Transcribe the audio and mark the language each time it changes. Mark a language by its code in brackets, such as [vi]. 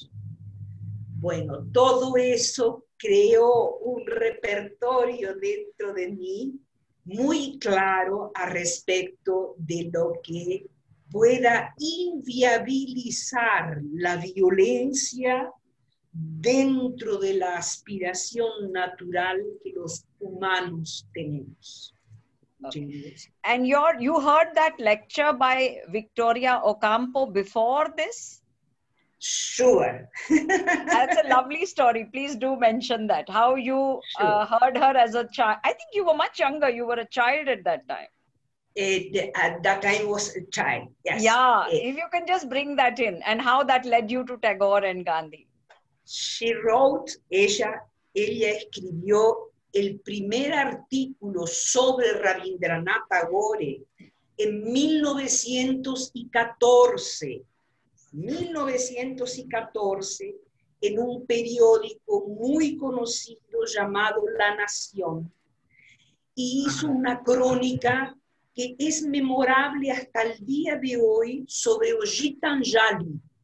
[es] Bueno, todo eso creó un repertorio dentro de mí muy claro a respecto de lo que pueda inviabilizar la violencia dentro de la aspiración natural que los humanos tenemos. [en] Okay. And you heard that lecture by Victoria Ocampo before this? Sure. That's a lovely story. Please do mention that. How you heard her as a child. I think you were much younger. You were a child at that time. At that time was a child, yes. Yeah, if you can just bring that in and how that led you to Tagore and Gandhi. She wrote, [es] ella escribió el primer artículo sobre Rabindranath Tagore en 1914. 1914, en un periódico muy conocido llamado La Nación, y hizo una crónica que es memorable hasta el día de hoy sobre Ojitanjali.